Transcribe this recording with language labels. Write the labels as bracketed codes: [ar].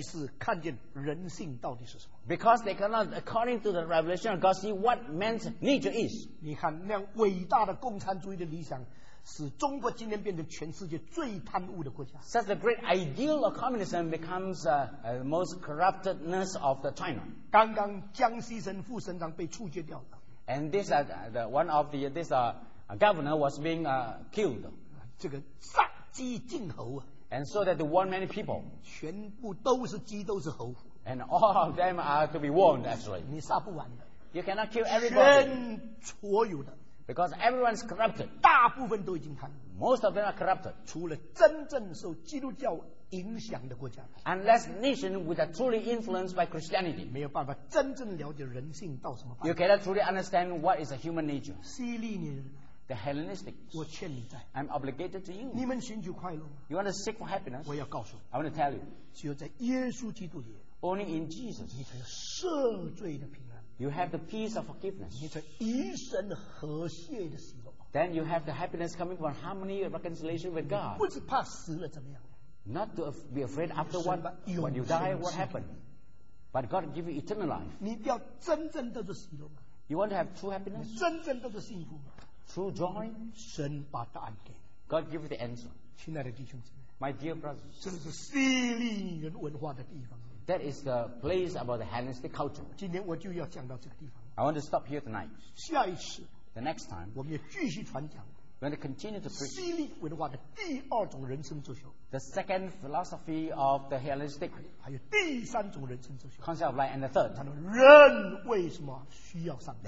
[zh] 没有办法照着神的启示看见人性到底是什么。 [en] Because they cannot, according to the revelation of God, see what man's nature is. [zh] 你看那样伟大的共产主义的理想, 使中国今天变成全世界最贪污的国家。 [en] Such a great ideal of communism becomes the most corruptedness of the China. [zh] 刚刚江西省副省长被处决掉了。 [en] And this the one of the this governor was being killed. [zh] 这个杀鸡儆猴啊。 [en] And so that they warn many people. [zh] 全部都是鸡都是猴。 [en] And all of them are to be warned actually. [zh] 你杀不完的。 [en] You cannot kill everybody. [zh] 全所有的。 [en] Because everyone is corrupted. [zh] 大部分都已经贪, [en] most of them are corrupted. [zh] 除了真正受基督教影响的国家, [en] unless nation which are truly influenced by Christianity, [zh] 没有办法真正了解人性到什么办法, [en] you cannot truly understand what is a human nature. [zh] 西利尼人, [en] the Hellenistic, I'm obligated to you. [zh] 你们寻求快乐吗? [en] You want to seek for happiness? [zh] 我要告诉, [en] I want to tell you. [zh] 只有在耶稣基督里, [en] only in Jesus, [zh] 你才有赦罪的平安。 [en] You have the peace of forgiveness. [zh] 你这一生和谐的喜乐。 [en] Then you have the happiness coming from harmony and reconciliation with God. [zh] 不是怕死了怎么样? [en] Not to be afraid after what, when you die, what happened. But God will give you eternal life. [zh] 你要真正的喜乐吗? [en] You want to have true happiness? [zh] 真正的幸福吗? [en] True joy? [zh] 神把答案给你。 [en] God give you the answer. [zh] 亲爱的弟兄姊妹, [en] my dear brothers, [zh] 这是西利人文化的地方。 [en] That is the place about the Hellenistic culture. [zh] 今天我就要讲到这个地方。 [en] I want to stop here tonight. [zh] 下一次, [en] the next time, [zh] 我们也继续传讲。 [en] We want to continue to preach [zh] 西利文化的第二种人生哲学, [en] the second philosophy of the Hellenistic [zh] 还有第三种人生哲学, [en] concept of life, and the third. [zh] 他说人为什么需要上帝?